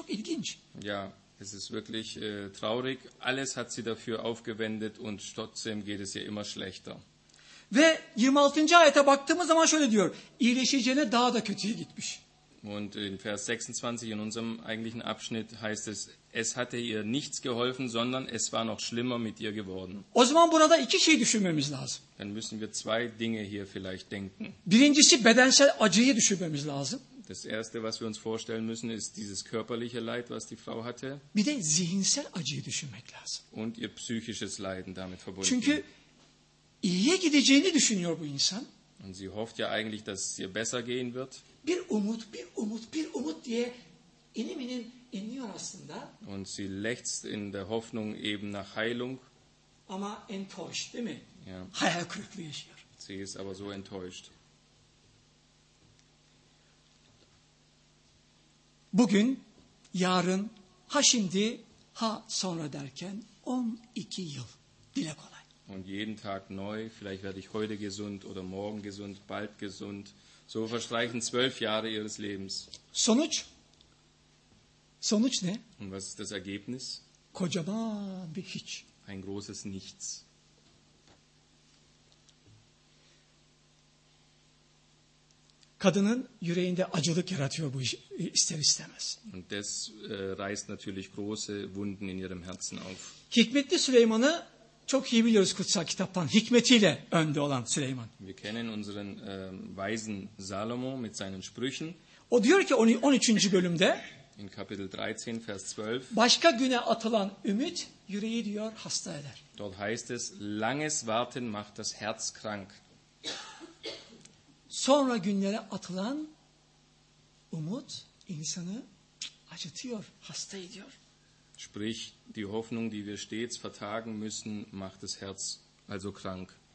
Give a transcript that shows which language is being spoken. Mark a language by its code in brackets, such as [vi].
[tr] Çok ilginç. [de] Ja, es ist wirklich traurig. Alles hat sie dafür aufgewendet und trotzdem geht es ihr immer schlechter. [tr] Ve 26. ayete baktığımız zaman şöyle diyor. İyileşeceğine daha da kötüye gitmiş. [de] Und in Vers 26 in unserem eigentlichen Abschnitt heißt es, es hatte ihr nichts geholfen, sondern es war noch schlimmer mit ihr geworden. [tr] O zaman burada iki şey düşünmemiz lazım. [de] Dann müssen wir zwei Dinge hier vielleicht denken. [tr] Birincisi bedensel acıyı düşünmemiz lazım. [de] Das erste, was wir uns vorstellen müssen, ist dieses körperliche Leid, was die Frau hatte. [tr] Bir de zihinsel acıyı düşünmek lazım. [de] Und ihr psychisches Leiden damit verbunden. [tr] Çünkü iyiye gideceğini düşünüyor bu insan. [de] Und sie hofft ja eigentlich, dass es ihr besser gehen wird. [tr] Bir umut, bir umut, bir umut diye inim inim iniyor aslında. [de] Und sie lechzt in der Hoffnung eben nach Heilung. [tr] Ama enttäuscht, değil mi? [de] Ja. [tr] Hayal kırıklığı yaşıyor. [de] Sie ist aber so enttäuscht. [tr] Bugün, yarın, ha şimdi, ha sonra derken 12 yıl. Dile kolay. [de] Und jeden Tag neu, vielleicht werde ich heute gesund oder morgen gesund, bald gesund. So verstreichen 12 Jahre ihres Lebens. [tr] Sonuç? Sonuç ne? [de] Und was ist das Ergebnis? [tr] Kocaman bir hiç. [de] Ein großes Nichts. [tr] Kadının yüreğinde acılık yaratıyor bu iş, ister istemez. [de] Und das reißt natürlich große Wunden in ihrem Herzen auf. [tr] Hikmetli Süleyman'ı çok iyi biliyoruz kutsal kitaptan. Hikmetiyle önde olan Süleyman. [de] Wir kennen unseren weisen Salomo mit seinen Sprüchen. [tr] O diyor ki 13. bölümde. [de] In Kapitel 13, Vers 12. [tr] Başka güne atılan ümit yüreği diyor hasta eder. [de] Dort heißt es, langes Warten macht das Herz krank. [tr] Sonra günlere atılan umut insanı acıtıyor, hasta ediyor. [de] Sprich, die Hoffnung, die wir stets vertagen müssen, macht das Herz also krank.